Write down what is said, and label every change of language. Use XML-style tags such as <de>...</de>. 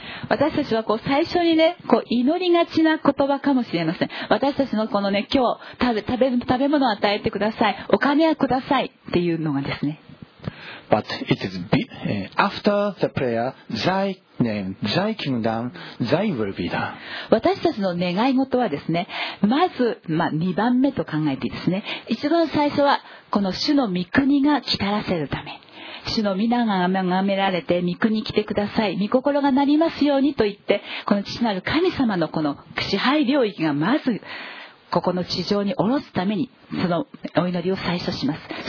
<ja>私たちはこう最初にね、こう祈りがちな言葉かもしれません。私たちのこのね、今日食べ物を与えてください。お金はくださいっていうのがですね。</ja> <en>But it is after the prayer, thy name, thy kingdom, thy will be done.</en> <ja>私たちの願い事はですね、まず、2番目と考えていいですね。一番最初はこの主の御国が来たらせるため、主の御名が崇められて御国来てください、御心がなりますようにと言って、この父なる神様のこの支配領域がまずここの地上に下ろすためにそのお祈りを最初します。</ja>